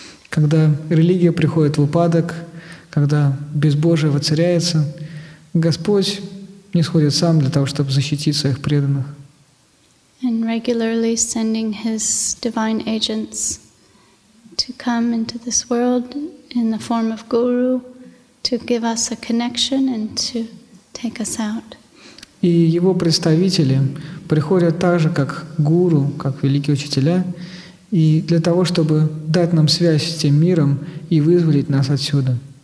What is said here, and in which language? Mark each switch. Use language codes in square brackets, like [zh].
[ru] Когда религия приходит в упадок, когда безбожие воцаряется, Господь нисходит Сам для того, чтобы защитить Своих преданных. [en] And regularly sending His divine agents to come into this world in the form of guru to give us a connection and to take us out. [ru] И Его представители приходят так же, как гуру, как великие учителя, и для того, чтобы дать нам связь с тем миром и вызволить нас отсюда.